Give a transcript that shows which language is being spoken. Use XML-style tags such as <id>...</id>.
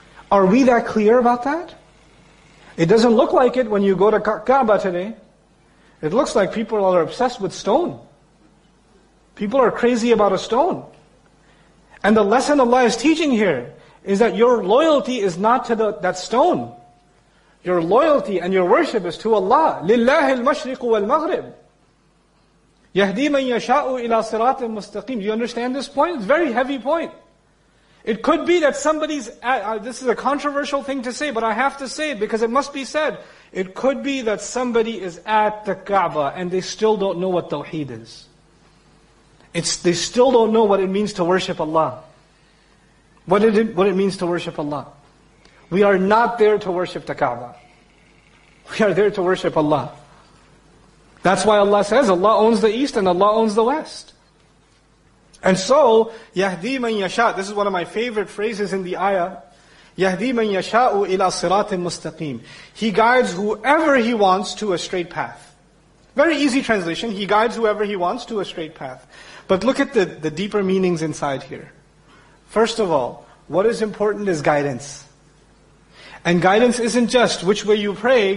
<en>Are we that clear about that? It doesn't look like it when you go to Kaaba today. It looks like people are obsessed with stone. People are crazy about a stone. And the lesson Allah is teaching here is that your loyalty is not to that stone. Your loyalty and your worship is to Allah.</en> <ar>لِلَّهِ الْمَشْرِقُ وَالْمَغْرِبِ يَهْدِي مَنْ يَشَاءُ إِلَىٰ صِرَاطٍ مُسْتَقِيمٍ.</ar> <en>Do you understand this point? It's a very heavy point. It could be that somebody's... This is a controversial thing to say, but I have to say it because it must be said. It could be that somebody is at the Kaaba and they still don't know what Tawheed is. They still don't know what it means to worship Allah. What it means to worship Allah. We are not there to worship the Kaaba. We are there to worship Allah. That's why Allah says, Allah owns the East and Allah owns the West. And so,</en> <ar>يَهْدِي مَنْ يَشَاءُ.</ar> <en>This is one of my favorite phrases in the ayah.</en> <ar>يَهْدِي مَنْ يَشَاءُ إِلَىٰ صِرَاطٍ مُسْتَقِيمٍ.</ar> <en>He guides whoever He wants to a straight path. Very easy translation. He guides whoever He wants to a straight path. But look at the deeper meanings inside here. First of all, what is important is guidance. And guidance isn't just which way you pray.</en>